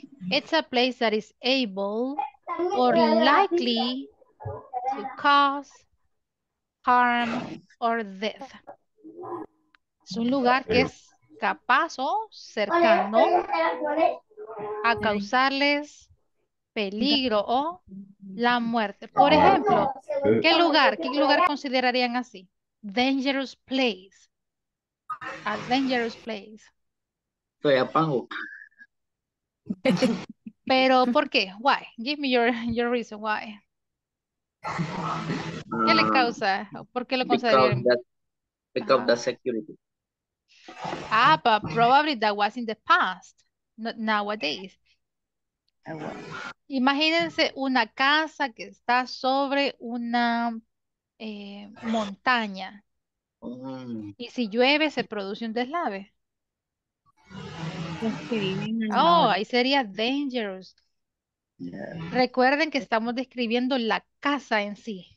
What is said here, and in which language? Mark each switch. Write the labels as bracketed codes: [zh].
[en] It's a place that is able or likely to cause harm or death. [es] Es un lugar que es capaz o cercano a causarles peligro o la muerte. Por ejemplo, ¿qué lugar considerarían así? [en] Dangerous place. A dangerous place. [es] Soy apago. Pero, ¿por qué? [en] Why? Give me your reason why. [es] ¿Qué le causa? ¿Por qué lo consideran? [en] Because the security. Ah, but probably that was in the past, not nowadays. [es] Imagínense una casa que está sobre una montaña. Y si llueve, se produce un deslave. Oh, ahí sería dangerous. Recuerden que estamos describiendo la casa en sí.